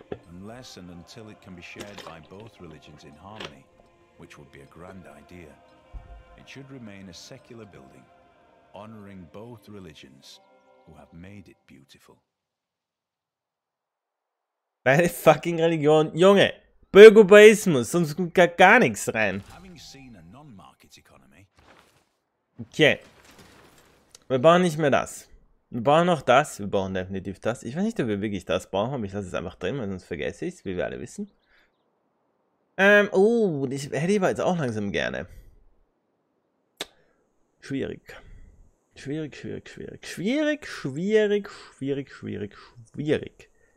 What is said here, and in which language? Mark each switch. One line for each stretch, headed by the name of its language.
English: Unless and until it can be shared by both religions in harmony, which would be a grand idea. It should remain a secular building, honoring both religions who have made it beautiful.
German: Beide fucking Religion, Junge. Bögobaismus, sonst kommt gar nichts rein.
English: Having seen a non-market economy. Okay.
German: Wir brauchen nicht mehr das. Wir brauchen noch das. Wir brauchen definitiv das. Ich weiß nicht, ob wir wirklich das brauchen, aber ich lasse es einfach drin, weil sonst vergesse ich es, wie wir alle wissen. Das hätte ich aber jetzt auch langsam gerne. Schwierig. Schwierig, schwierig, schwierig. Schwierig, schwierig, schwierig, schwierig, schwierig.